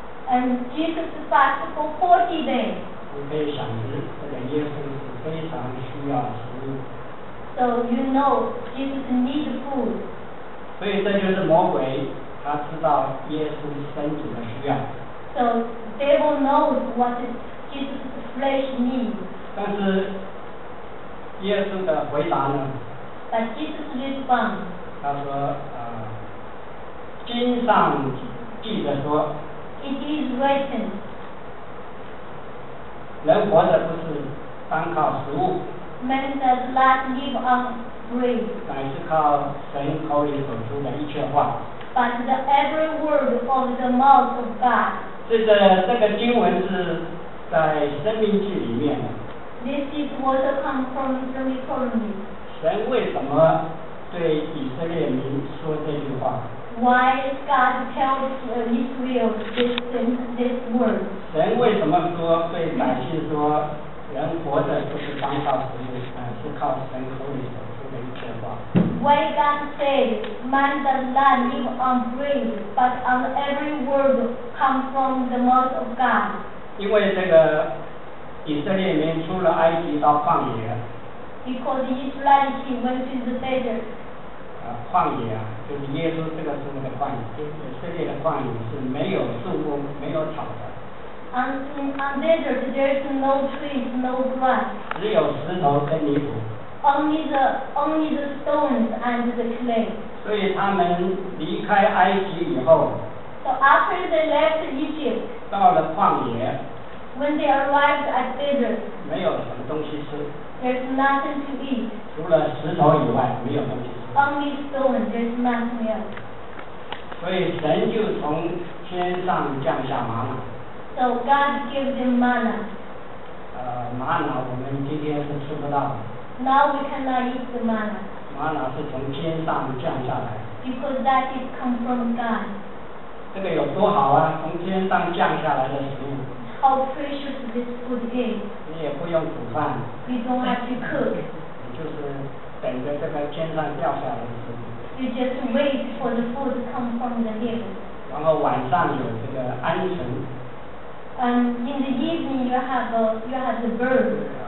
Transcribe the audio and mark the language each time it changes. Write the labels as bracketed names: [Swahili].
[English] And Jesus fasted for 40 days. [Chinese] 你可以想这个耶稣是非常需要食物。 [English] So you know Jesus needs food. [Chinese] 所以这就是魔鬼，他知道耶稣身体的需要。 [English] So devil knows what Jesus' flesh needs. [Chinese] 但是耶稣的回答呢 [English] ？But Jesus responds. [Chinese] 他说经上记着说 [English] ，It is written. [Chinese] 人活着不是单靠食物。 [English] Man does not live on. [Chinese] 乃是靠神口里所出的一切话。 [English] But the every word of the mouth of God. [Chinese] 这个经文是在生命记里面的。 [English] This is what comes from the Deuteronomy. [Chinese] 神为什么对以色列民说这句话 [English] ？Why God tells Israel this word? [Chinese] 神为什么说对百姓说，人活着就是单靠食物，是靠神口里所。 [English] Why God said man does not live on bread but on every word come from the mouth of God? [Chinese] 因为这个以色列民出了埃及到旷野。 [English] Because the Israelites went to the desert. [Chinese] 旷野啊，就是耶稣这个时候的旷野，就是以色列的旷野是没有树木、没有草的。 [English] On desert there is no trees, no grass. [Chinese] 只有石头跟泥土。 [English] Only the stones and the clay. [Chinese] 所以他们离开埃及以后 [English] ，So after they left Egypt, [Chinese] 到了旷野 [English] ，When they arrived at desert, [Chinese] 没有什么东西吃 [English] ，There's nothing to eat. [Chinese] 除了石头以外，没有东西吃 [English] ，Only stones, there's nothing else. [Chinese] 所以神就从天上降下玛瑙 [English] ，So God gave them manna. [Chinese] 玛瑙我们今天是吃不到。 [English] Now we cannot eat the manna. [Chinese] 玛瑙是从天上降下来。 [English] Because that is come from God. [Chinese] 这个有多好啊！从天上降下来的食物。 [English] How precious this food is. [Chinese] 你也不用煮饭。 [English] We don't have to cook. [Chinese] 你就是等着这个天上掉下来的食物。 [English] You just wait for the food to come from the heaven. [Chinese] 然后晚上有这个鹌鹑。 [English] In the evening you have the bird.